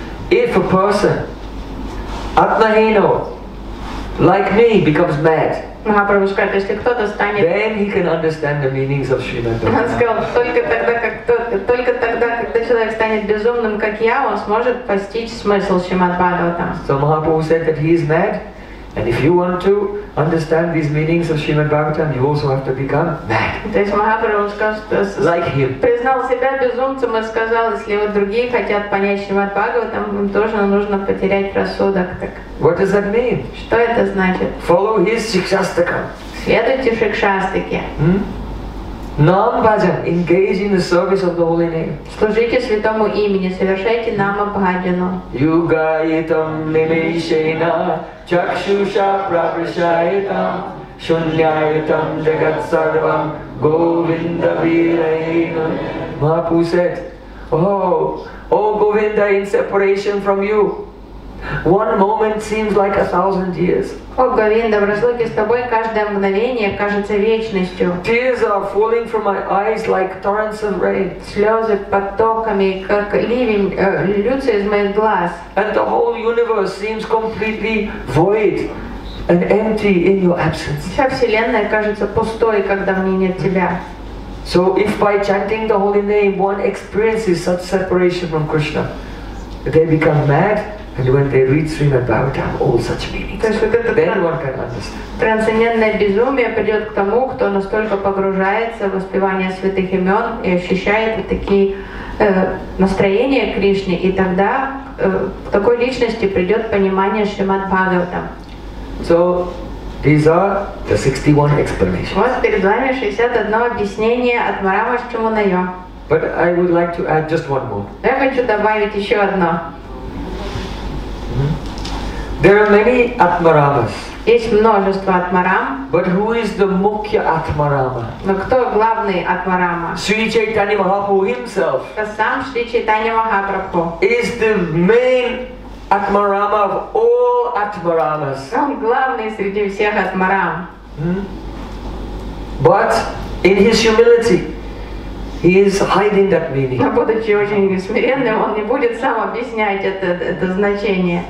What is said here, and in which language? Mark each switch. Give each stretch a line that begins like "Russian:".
English: If a person, Atmahino, like me, becomes mad, then he can understand the meanings of Srimad Bhagavatam. So Mahaprabhu said that he is mad, and if you want to understand these meanings of Srimad Bhagavatam, you also have to become mad.
Russian: То есть Махапрабху сказал,
English: like him.
Russian: Признал себя безумцем и сказал, если вот другие хотят понять Шримад Бхагаватам, им тоже нужно потерять рассудок. Так.
English: What does that mean?
Russian: Что это значит?
English: Follow his Шикшастака.
Russian: Следуйте Шикшастаке. Нам-бхаджан.
English: Engage in the service of the Holy Name.
Russian: Служите святому имени, совершайте нама-бхаджану.
Sanskrit: Юга-итам нимешена чакшуша прапришаетам шуньяетам джагат-сарвам говинда-вирайнаме.
English: Mahaprabhu said, Oh Govinda, in separation from you, one moment seems like a thousand years. Oh Govinda,
Russian: в разлуке с тобой каждое мгновение кажется вечностью.
English: Tears are falling from my eyes like torrents of rain.
Russian: Слезы потоками, как ливень, льются из моих глаз.
English: And the whole universe seems completely void and empty in your absence.
Russian: Вся вселенная кажется пустой, когда мне нет тебя.
English: So if by chanting the holy name one experiences such separation from Krishna, they become mad. And when they read Srimad Bhagavatam, all such meanings, then one can understand.
Russian: Трансцендентное безумие придет к тому, кто настолько погружается в воспевание святых имен и ощущает такие настроения Кришны, и тогда к такой личности придет понимание Шримад Бхагаватам.
English: So, these are the 61 explanations.
Russian: Вот перед вами 61 объяснение от Марамаш Чумунайо.
English: But I would like to add just one more.
Russian: Я хочу добавить еще одно.
English: There are many atmaramas.
Russian: Есть множество атмарам.
English: But who is the mukhya atmarama?
Russian: Но кто главный атмарама?
English: Sri Chaitanya Mahaprabhu himself.
Russian: Это сам Шри Чайтанья Махапрабху.
English: Is the main atmarama of all atmaramas.
Russian: Он главный среди всех атмарам.
English: But in his humility, he is hiding that meaning.
Russian: Но будучи очень смиренным, он не будет сам объяснять это значение.